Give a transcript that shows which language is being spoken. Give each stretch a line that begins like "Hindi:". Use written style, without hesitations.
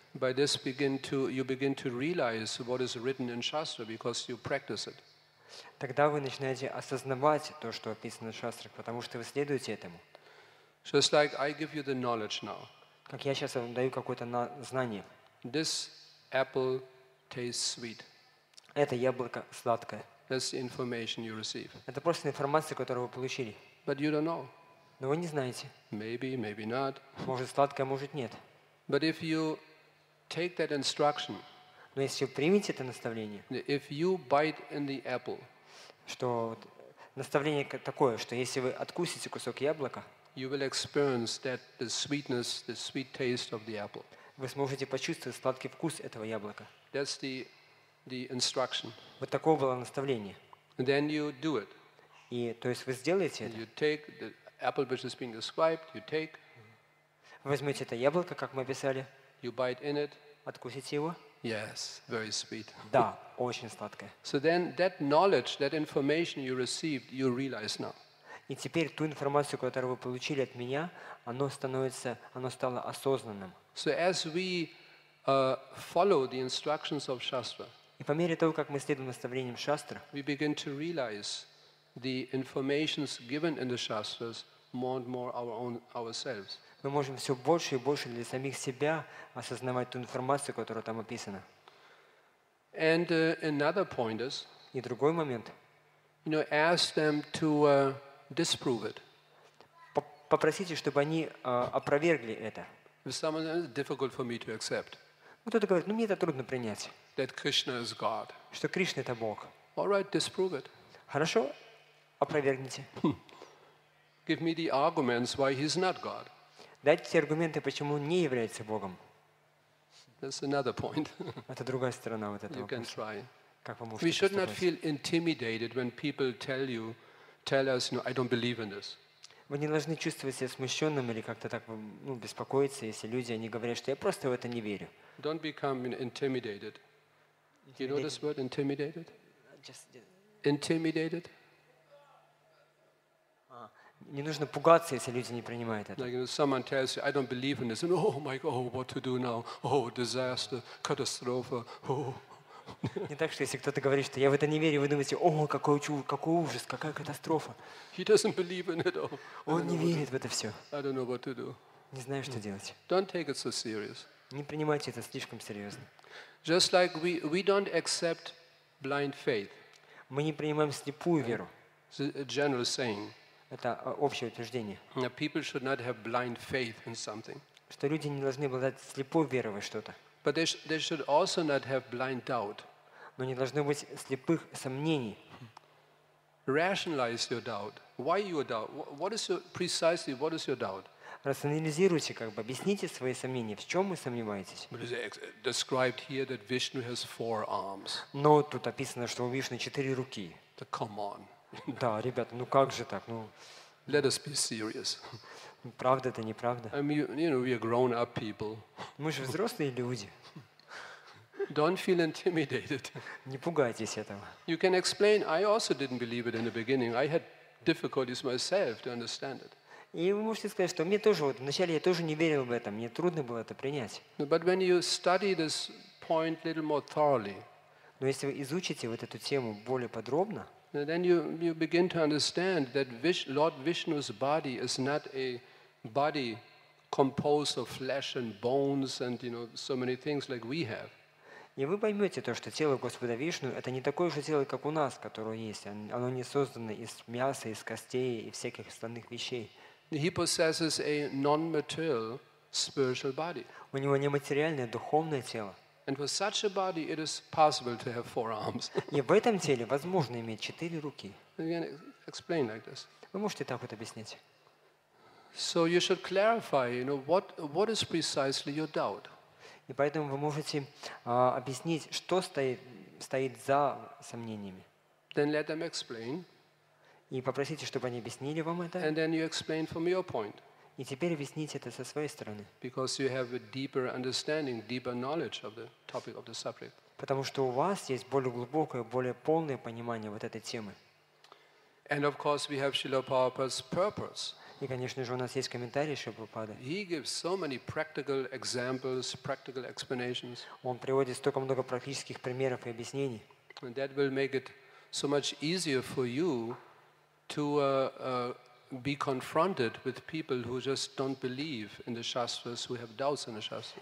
English: By this you begin to realize what is written in Shastra because you practice it.
Russian: Тогда вы начинаете осознавать то, что описано в шастрах, потому что вы следуете этому.
English: Just like I give you the knowledge now.
Russian: Как я сейчас вам даю какое-то знание.
English: This apple tastes sweet.
Russian: Это яблоко сладкое.
English: That's the information you receive.
Russian: Это просто информация, которую вы получили.
English: But you don't know.
Russian: Но вы не знаете.
English: Maybe, maybe not.
Russian: Может сладкое, может нет.
English: But if you take that instruction.
Russian: Но если вы примете это наставление.
English: If you bite in the apple.
Russian: Что наставление такое, что если вы откусите кусок яблока.
English: You will experience that the sweetness, the sweet taste of the apple.
Russian: Вы сможете почувствовать сладкий вкус этого яблока.
English: That's the instruction.
Russian: Вот такое было наставление.
English: And then you do it.
Russian: И то есть вы сделаете это.
English: You take the apple which is being described. You take.
Russian: Возьмете это яблоко, как мы описали.
English: You bite in it.
Russian: Откусите его.
English: Yes, very sweet.
Russian: Да, очень сладкое.
English: So then that knowledge, that information you received, you realize now.
Russian: И теперь ту информацию, которую вы получили от меня, оно стало осознанным.
English: So as we follow the instructions of Shastra.
Russian: И по мере того, как мы следуем наставлениям Шастры,
English: we begin to realize the informations given in the Shastras more and more ourselves.
Russian: Мы можем все больше и больше для самих себя осознавать ту информацию, которая там описана.
English: And another point is,
Russian: и другой момент,
English: you know, ask them to disprove it.
Russian: Попросите, чтобы они опровергли это.
English: If someone says, difficult for me to accept.
Russian: Кто-то говорит, ну мне это трудно принять.
English: That Krishna is God.
Russian: Что Кришна это Бог.
English: All right, disprove it.
Russian: Хорошо, опровергните.
English: Give me the arguments why he's not God.
Russian: Дайте аргументы, почему он не является Богом.
English: That's another point.
Russian: Это другая сторона вот этого.
English: You can try.
Russian: Как вы можете?
English: We should not feel intimidated when people tell us, no, I don't believe in this.
Russian: Вы не должны чувствовать себя смущенным или как-то так беспокоиться, если люди они говорят, что я просто в это не верю.
English: Don't become intimidated. Do you know this word, intimidated? Intimidated.
Russian: Не нужно пугаться, если люди не принимают это.
English: Like, you know, someone tells you, I don't believe in this. And, oh my God, what to do now? Oh, disaster, catastrophe. Oh.
Russian: Не так, что если кто-то говорит, что я в это не верю, вы думаете, о, какой ужас, какая катастрофа.
English: He doesn't believe in it.
Russian: Он не верит в это все.
English: I don't know what to do.
Russian: Не знаю, что делать.
English: Don't take it so serious.
Russian: Не принимайте это слишком серьезно.
English: Just like we don't accept blind faith.
Russian: Мы не принимаем слепую веру.
English: It's a general saying.
Russian: Это общее утверждение.
English: That people should not have blind faith in something.
Russian: Что люди не должны обладать слепой верой во что-то.
English: But they should also not have blind doubt.
Russian: Но не должны быть слепых сомнений.
English: Rationalize your doubt. Why your doubt? What is your, precisely what is your doubt?
Russian: Рационализируйте, как бы объясните свои сомнения. В чем вы сомневаетесь? Но тут описано, что у Вишны четыре руки. Да, ребята, ну как же так? Ну,
English: let us be serious.
Russian: Правда это неправда?
English: I mean, you know, we are grown up people.
Russian: Мы же взрослые люди.
English: Don't feel intimidated.
Russian: Не пугайтесь этого.
English: You can explain. I also didn't believe it in the beginning. I had difficulties myself to understand it.
Russian: И вы можете сказать, что мне тоже вот вначале я тоже не верил в это, мне трудно было это принять.
English: But when you study this point a little more thoroughly,
Russian: но если вы изучите вот эту тему более подробно,
English: then you begin to understand that Lord Vishnu's body is not a body composed of flesh and bones and, you know, so many things like we have.
Russian: И вы поймете то, что тело Господа Вишну это не такое же тело, как у нас, которое есть. Оно не создано из мяса, из костей и всяких остальных вещей.
English: He possesses a non-material spiritual body.
Russian: У него нематериальное духовное тело.
English: And for such a body, it is possible to have four arms.
Russian: И в этом теле возможно иметь четыре руки.
English: Again, explain like this.
Russian: Вы можете так вот объяснить?
English: So you should clarify, you know, what is precisely your doubt?
Russian: И поэтому вы можете объяснить, что стоит за сомнениями.
English: Then let them explain.
Russian: И попросите, чтобы они объяснили вам это.
English: And then you explain from your point.
Russian: И теперь объясните это со своей стороны.
English: Because you have a deeper understanding, deeper knowledge of the topic of the subject.
Russian: Потому что у вас есть более глубокое, более полное понимание вот этой темы.
English: And of course we have Srila Prabhupada's purpose.
Russian: И, конечно же, у нас есть комментарии Шрилы Прабхупады.
English: He gives so many practical examples, practical explanations.
Russian: Он приводит столько много практических примеров и объяснений.
English: And that will make it so much easier for you to be confronted with people who just don't believe in the shastras, who have doubts in the shastras.